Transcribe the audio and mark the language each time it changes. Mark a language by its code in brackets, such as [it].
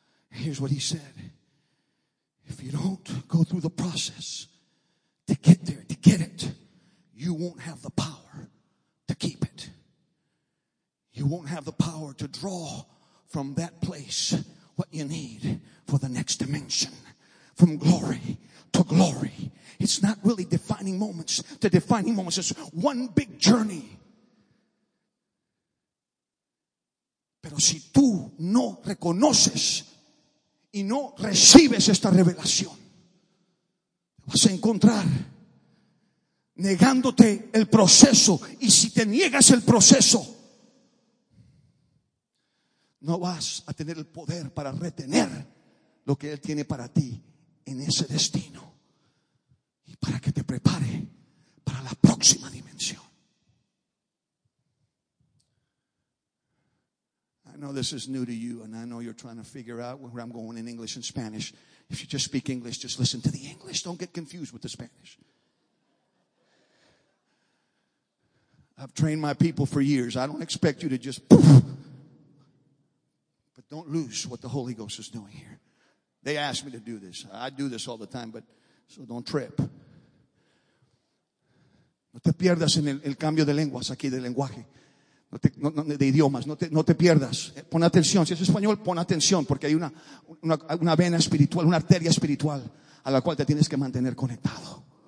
[en] Here's what he said. If you don't go through the process to get there, to get it, you won't have the power to keep it. You won't have the power to draw from that place what you need for the next dimension. From glory to glory. It's not really defining moments to defining moments. It's one big journey. [es] Pero si tú no reconoces y no recibes esta revelación, vas a encontrar negándote el proceso. Y si te niegas el proceso, no vas a tener el poder para retener lo que Él tiene para ti en ese destino. Y para que te prepare para la próxima dimensión. [en] I know this is new to you, and I know you're trying to figure out where I'm going in English and Spanish. If you just speak English, just listen to the English. Don't get confused with the Spanish. I've trained my people for years. I don't expect you to just poof. But don't lose what the Holy Ghost is doing here. They asked me to do this. I do this all the time, but so don't trip. [es] No te pierdas en el cambio de lenguas aquí del lenguaje. De idiomas, no te pierdas. Pon atención, si es español, pon atención, porque hay una vena espiritual, una arteria espiritual a la cual te tienes que mantener conectado.